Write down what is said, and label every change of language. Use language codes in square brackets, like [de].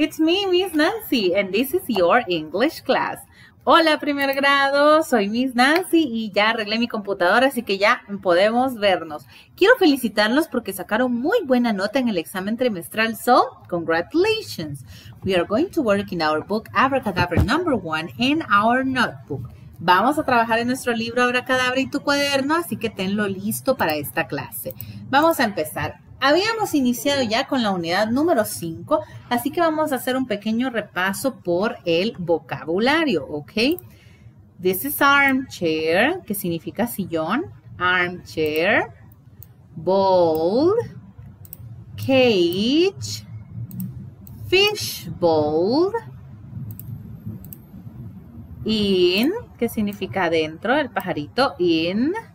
[en] It's me, Miss Nancy, and this is your English class. [es] Hola, primer grado. Soy Miss Nancy y ya arreglé mi computadora, así que ya podemos vernos. Quiero felicitarlos porque sacaron muy buena nota en el examen trimestral. [en] So, congratulations. We are going to work in our book, Abracadabra Number 1, in our notebook. [es] Vamos a trabajar en nuestro libro, Abracadabra, y tu cuaderno, así que tenlo listo para esta clase. Vamos a empezar. Habíamos iniciado ya con la unidad número 5, así que vamos a hacer un pequeño repaso por el vocabulario, ¿ok? [en] This is armchair, [es] que significa sillón, [en] armchair, bowl, cage, fish bowl, in, [es] que significa adentro, el pajarito, [en] in.